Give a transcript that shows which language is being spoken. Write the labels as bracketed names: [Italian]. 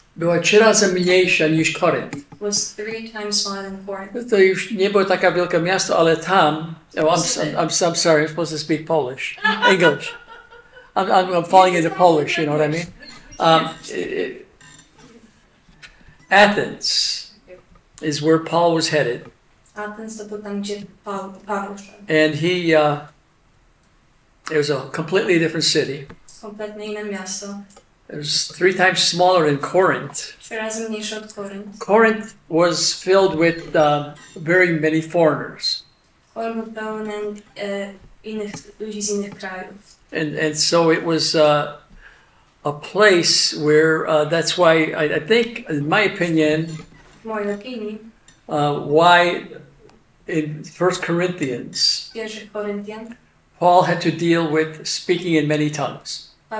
[Polish] była trzy razy mniejsza niż Korynt. [English] Was three times smaller than Corinth. [Polish] To już nie było takie wielkie miasto, ale tam... [English] I'm sorry, I'm supposed to speak Polish. English. I'm falling into Polish, you know what I mean? Athens is where Paul was headed. [Polish] Athens to tam, gdzie Paweł szedł. [English] And he... it was a completely different city. [Polish] Kompletnie inne miasto. [English] It was three times smaller than Corinth. [Polish] Trzy razy mniejsze od Korynt. [English] Corinth was filled with very many foreigners. [Polish] Korynt był pełen innych ludzi z innych krajów. [English] And so it was a place where that's why I think, in my opinion, [Polish] w mojej opinii, [English] why in 1 Corinthians, [Polish] pierwszy Korinthian, [English] Paul had to deal with speaking in many tongues.